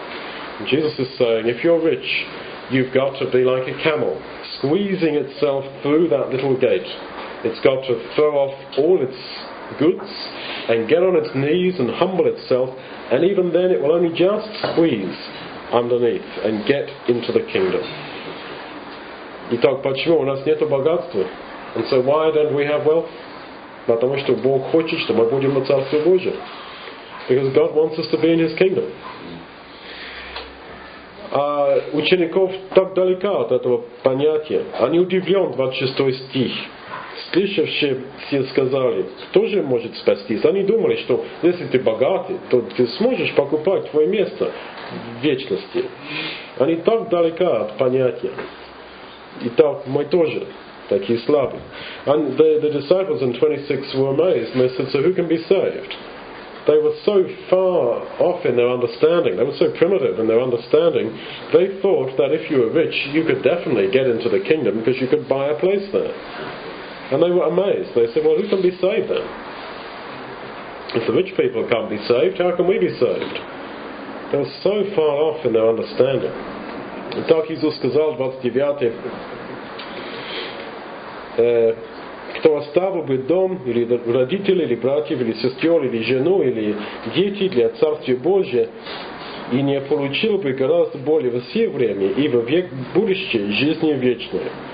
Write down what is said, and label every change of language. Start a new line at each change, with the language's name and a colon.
English: And Jesus is saying, if you're rich, you've got to be like a camel, squeezing itself through that little gate. It's got to throw off all its goods and get on its knees and humble itself, and even then it will only just squeeze underneath and get into the kingdom.
Russian: Итак, почему у нас нет богатства?
English: And so why don't we have wealth?
Russian: Потому что Бог хочет, что мы будем в Царстве Божьем.
English: Because God wants us to be in His kingdom.
Russian: А учеников так далека от этого понятия. Они удивлен, 26 стих. слышавшие все сказали, кто же может спастись? Они думали, что если ты богатый, то ты сможешь покупать твое место в вечности. Они так далеко от понятия. И так мы тоже такие слабые.
English: And the disciples in 26 were amazed. And they said, so who can be saved? They were so far off in their understanding, they were so primitive in their understanding, they thought that if you were rich, you could definitely get into the kingdom because you could buy a place there. And they were amazed. They said, well, who can be saved then? If the rich people can't be saved, how can we be saved? They were so far off in their understanding.
Russian: Итак, Иисус сказал, 29-й, кто оставил бы дом, или родителей, или братьев, или сестер, или жену, или дети для Царствия Божия, и не получил бы гораздо более во все время и во век будущее жизни вечной.